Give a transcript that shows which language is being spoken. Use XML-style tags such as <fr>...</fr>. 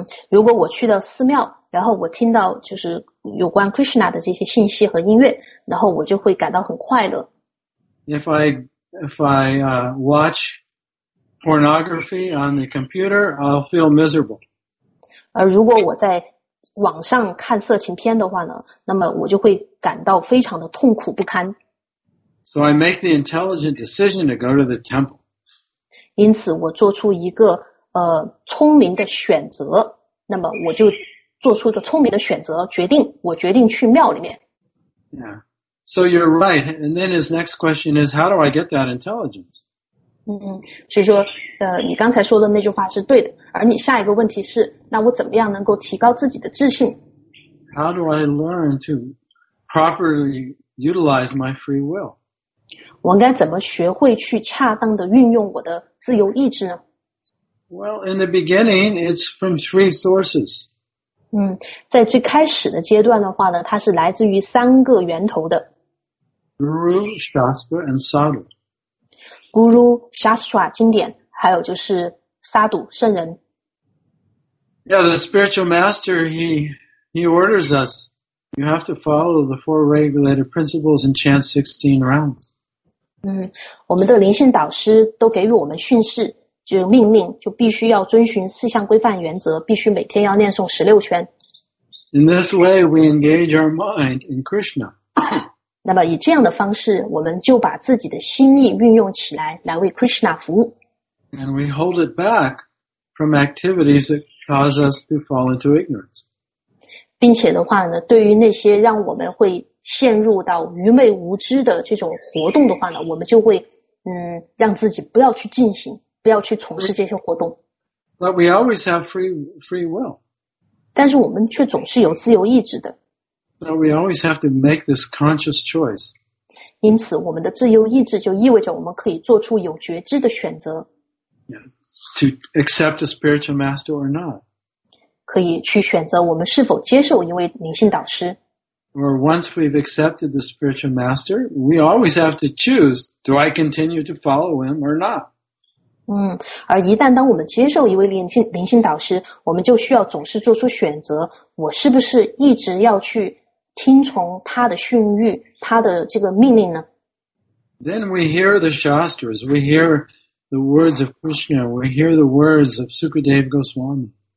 <zh>如果我去到寺庙，然后我听到就是有关 Krishna 的这些信息和音乐，然后我就会感到很快乐。</zh> <en>If I watch pornography on the computer, I'll feel miserable.</en> <zh>如果我在网上看色情片的话呢，那么我就会感到非常的痛苦不堪。</zh> <en>So I make the intelligent decision to go to the temple.</en> <zh>因此我做出一个聪明的选择，那么我就做出一个聪明的选择，我决定去庙里面。</zh> <en>Yeah. So you're right. And then his next question is, how do I get that intelligence?</en> <zh>所以说你刚才说的那句话是对的，而你下一个问题是，那我怎么样能够提高自己的智性？</zh> <en>How do I learn to properly utilize my free will?</en> <zh>我应该怎么学会去恰当的运用我的自由意志呢？</zh> <en>Well, in the beginning, it's from three sources.</en> <zh>在最开始的阶段的话呢，它是来自于三个源头的。</zh> <en>Guru, Shastra, and Sadhu.</en> <zh>Guru, Shastra, 经典，还有就是 Sadhu, 圣人。</zh> <en>Yeah, the spiritual master, he orders us, you have to follow the four regulated principles and chant 16 rounds.</en> <zh>我们的灵性导师都给予我们训示，就命令，就必须要遵循四项规范原则，必须每天要念诵16圈。</zh> <en>In this way, we engage our mind in Krishna.</en> <zh>那么以这样的方式，我们就把自己的心意运用起来，来为 Krishna 服务。</zh> <en>And we hold it back from activities that cause us to fall into ignorance.</en> <zh>并且的话呢，对于那些让我们会陷入到愚昧无知的这种活动的话呢，我们就会让自己不要去进行，不要去从事这些活动。</zh> <en>But we always have free will.</en> <zh>但是我们却总是有自由意志的。</zh> <en>So we always have to make this conscious choice.</en> <zh>因此我们的自由意志就意味着我们可以做出有觉知的选择。</zh> <en>Yeah, to accept a spiritual master or not.</en> <zh>可以去选择我们是否接受一位灵性导师。</zh> <en>Or once we've accepted the spiritual master, we always have to choose, do I continue to follow him or not?</en> <zh>而一旦当我们接受一位灵性导师，我们就需要总是做出选择，我是不是一直要去听从他的训谕，他的这个命令呢？</zh> <en>Then we hear the Shastras, we hear the words of Krishna, we hear the words of Sukadeva Goswami.</en>